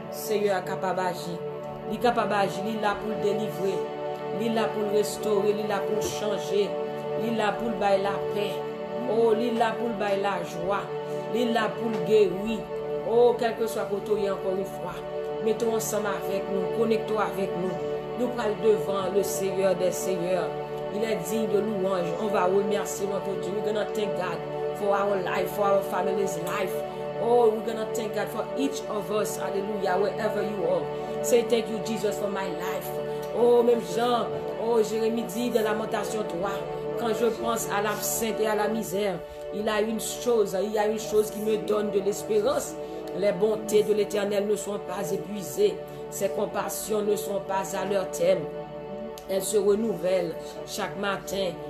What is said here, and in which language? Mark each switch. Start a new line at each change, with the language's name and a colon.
French: Il est capable d'agir, il est là pour le délivrer, il est là pour le restaurer, il est là pour le changer, il est là pour le bailler la paix, oh, il est là pour le bailler la joie, il est là pour le guérir, oh, quel que soit pour toi, encore une fois, mettons ensemble avec nous, connecte-toi avec nous, nous parlons devant le Seigneur des Seigneurs, il est digne de louange, on va remercier notre Dieu,
English: we're gonna thank God for our life, for our family's life. Oh, we're going to thank God for each of us. Hallelujah, wherever you are. Say thank you, Jesus, for my life.
French: Oh, même Jean. Oh, Jérémie dit dans Lamentation 3. Quand je pense à l'absinthe et à la misère, il y a une chose. Il y a une chose qui me donne de l'espérance. Les bontés de l'Éternel ne sont pas épuisées. Ses compassions ne sont pas à leur terme. Elles se renouvellent chaque matin.